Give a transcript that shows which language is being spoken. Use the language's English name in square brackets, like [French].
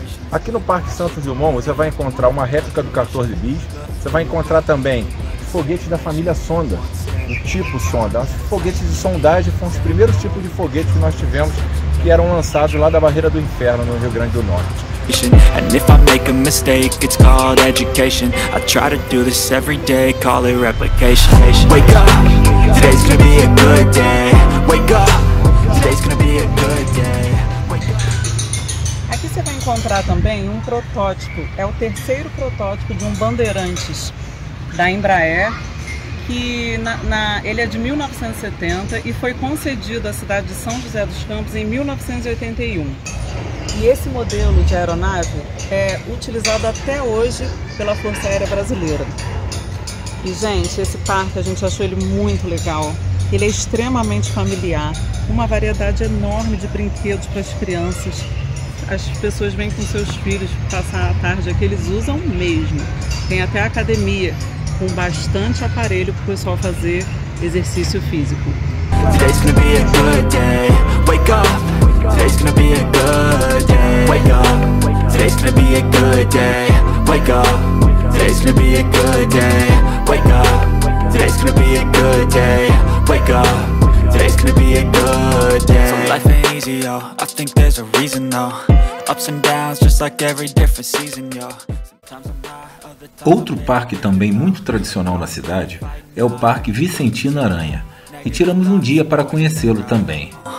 [Portuguese] Aqui no Parque Santos Dumont você vai encontrar uma réplica do 14 bis. Você vai encontrar também foguete da família Sonda, do tipo Sonda. Foguetes de sondagem foram os primeiros tipos de foguete que nós tivemos, que eram lançados lá da Barreira do Inferno, no Rio Grande do Norte. [English] And if I make a mistake, it's called education. I try to do this every day, call it replication. Wake up, today's gonna be a good day. Wake up, today's gonna be a good day. [Portuguese] Aqui você vai encontrar também um protótipo. É o terceiro protótipo de um Bandeirantes da Embraer, que ele é de 1970 e foi concedido à cidade de São José dos Campos em 1981. E esse modelo de aeronave é utilizado até hoje pela Força Aérea Brasileira. E, gente, esse parque a gente achou ele muito legal. Ele é extremamente familiar, uma variedade enorme de brinquedos para as crianças. As pessoas vêm com seus filhos passar a tarde aqui, eles usam mesmo. Tem até a academia, com bastante aparelho para o pessoal fazer exercício físico. [English] Today's gonna be a good day. Wake up. Today's gonna be a good day. Wake up. Today's gonna be a good day. Wake up. Today's gonna be a good day. Wake up. Today's gonna be a good day. Wake up. Today's gonna be a good day. So life ain't easy, yo. I think there's a reason, though. Ups and downs, just like every different season, yo. Sometimes. [Portuguese] Outro parque também muito tradicional na cidade é o Parque Vicentino Aranha, e tiramos um dia para conhecê-lo também.